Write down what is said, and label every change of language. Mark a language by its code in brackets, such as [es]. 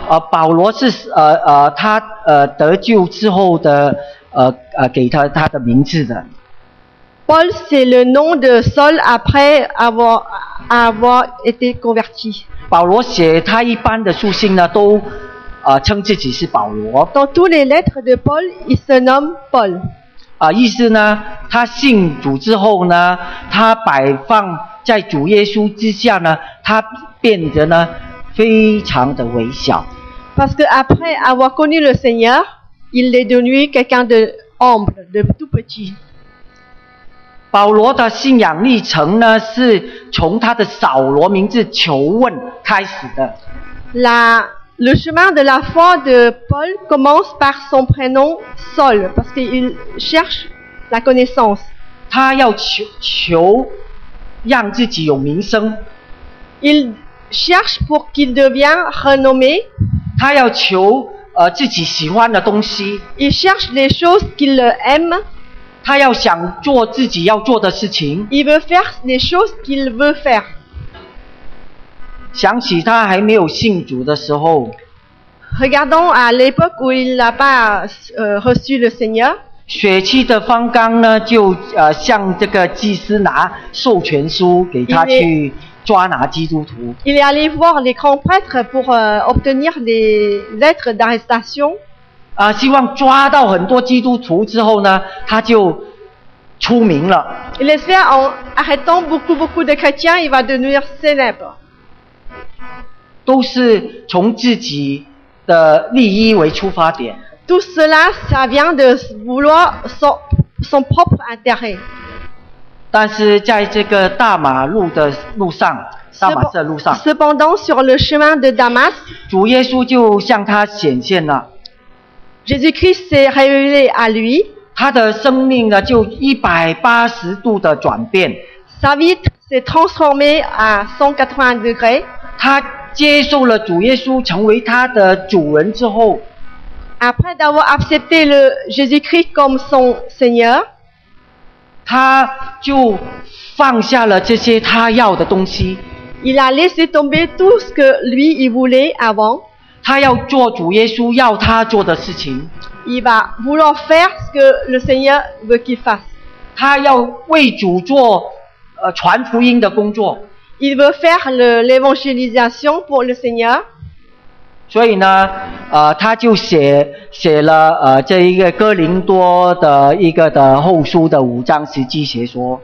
[zh] 保罗是他得救之后的给他的名字的。 [fr] Paul c'est le nom de Saul après avoir été converti. [zh] 保罗写他一般的书信呢都称自己是保罗。 [fr] Dans toutes les lettres de Paul, il se nomme Paul. [zh] 意思呢，他信主之后呢，他摆放在主耶稣之下呢，他变得呢非常的微小。 [fr] Parce que après avoir connu le Seigneur, il est devenu quelqu'un de humble, de tout petit. [zh] 保罗的信仰历程呢，是从他的扫罗名字求问开始的。 [fr] Le chemin de la foi de Paul commence par son prénom Saul, parce qu'il cherche la connaissance. [zh] 他要求让自己有名声。 [fr] Il cherche pour qu'il devienne renommé. [zh] 他要求自己喜欢的东西。 [fr] Il cherche les choses qu'il aime. [zh] 他要想做自己要做的事情。 [fr] Il veut faire les choses qu'il veut faire. [zh] 想起他还没有信主的时候。 [fr] Regardons à l'époque où il n'a pas reçu le Seigneur. [zh] 血气的方刚呢，就向这个祭司拿授权书，给他去抓拿基督徒。 [fr] Il est allé voir les grands prêtres pour obtenir les lettres d'arrestation. [zh] 希望抓到很多基督徒之后呢，他就出名了。 [fr] Il espère en arrêtant beaucoup de chrétiens, il va devenir célèbre. [zh] 都是从自己的利益为出发点。 [fr] Tout cela, ça vient de vouloir son propre intérêt. [zh] 但是在这个大马路的路上，大马色路上。 [fr] Cependant, sur le chemin de Damas, [zh] 主耶稣就向他显现了。 [fr] Jésus-Christ s'est révélé à lui. [zh] 他的生命呢，就180度的转变。 [fr] Sa vie s'est transformée à 180 degrés. [zh] 他接受了主耶稣成为他的主人之后。 [fr] Après d'avoir accepté le Jésus-Christ comme son Seigneur, [zh] 他就放下了这些他要的东西。 [fr] Il a laissé tomber tout ce que lui il voulait avant. [zh] 他要做主耶稣要他做的事情。 [fr] Il va vouloir faire ce que le Seigneur veut qu'il fasse. [zh] 他要为主做传福音的工作。 [fr] Il veut faire l'évangélisation pour le Seigneur. [zh] 所以呢，他就写了这一个哥林多的一个的后书的五章十七节说。